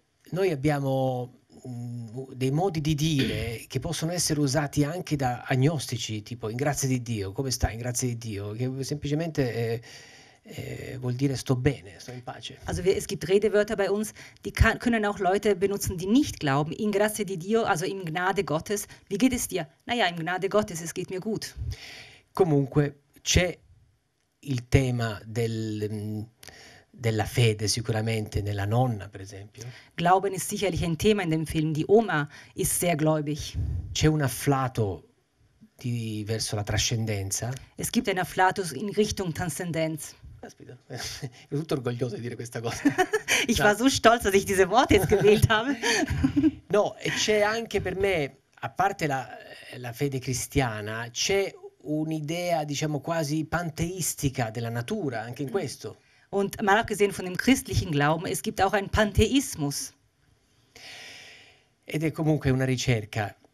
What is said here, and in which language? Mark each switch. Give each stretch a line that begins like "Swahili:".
Italian: Noi abbiamo dei modi di dire che possono essere usati anche da agnostici, tipo in grazia di Dio, come stai, in grazia di Dio, che semplicemente vuol dire sto bene, sto in pace.
German: Also es gibt Redewörter bei uns, die können auch Leute benutzen, die nicht glauben,
Italian: in grazia di Dio,
German: also in Gnade Gottes, wie geht es dir? Naja, in Gnade Gottes, es geht mir gut.
Italian: Comunque c'è il tema della fede sicuramente nella nonna, per esempio.
German: Glauben ist sicherlich ein Thema in dem Film. Die Oma ist sehr gläubig.
Italian: C'è un afflato verso la trascendenza.
German: Es gibt ein afflatus in Richtung Transzendenz. Ich bin
Italian: tutto orgoglioso di dire questa cosa.
German: Ich war so stolz, dass ich diese Worte jetzt gewählt habe.
Italian: No, e c'è anche per me, a parte la fede cristiana, c'è un'idea, diciamo, quasi panteistica della natura, anche in questo.
German: Und mal abgesehen von dem christlichen Glauben, es gibt auch einen Pantheismus.
Italian: Ed è comunque una ricerca.